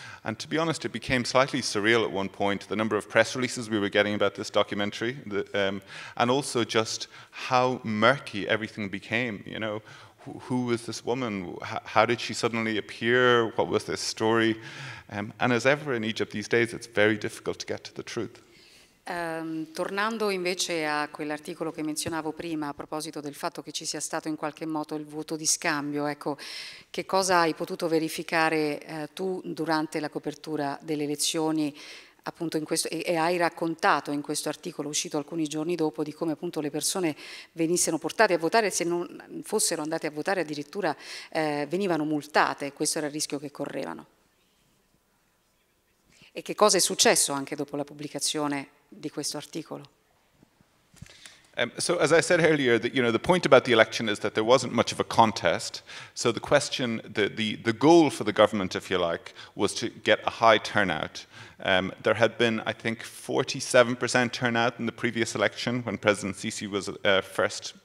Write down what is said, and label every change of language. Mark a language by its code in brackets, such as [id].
[en] And to be honest, it became slightly surreal at one point, the number of press releases we were getting about this documentary, and also just how murky everything became. You know, who was this woman? How did she suddenly appear? What was this story? And as ever in Egypt these days, it's very difficult to get to the truth. [it] Tornando invece a quell'articolo che menzionavo prima a proposito del fatto che ci sia stato in qualche modo il vuoto di scambio, ecco, che cosa hai potuto verificare tu durante la copertura delle elezioni, appunto, in questo, e hai raccontato in questo articolo uscito alcuni giorni dopo di come appunto le persone venissero portate a votare, se non fossero andate a votare addirittura venivano multate, questo era il rischio che correvano. E che cosa è successo anche dopo la pubblicazione di questo articolo? [en] So as I said earlier, that, you know, the point about the election is that there wasn't much of a contest. So the question, the goal for the government, if you like, was to get a high turnout. There had been, I think, 47% turnout in the previous election when President Sisi was first